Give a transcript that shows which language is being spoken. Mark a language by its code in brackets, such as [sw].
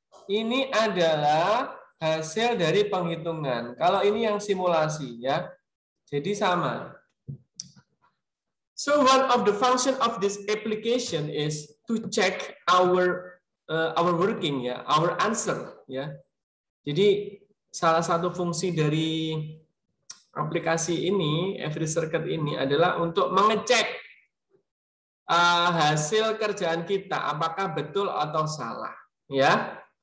[id] Ini adalah hasil dari penghitungan. Kalau ini yang simulasi, ya. Jadi sama. [en] So one of the function of this application is to check our our working ya, our answer ya. [id] Jadi salah satu fungsi dari aplikasi ini, every circuit ini adalah untuk mengecek hasil kerjaan kita apakah betul atau salah ya.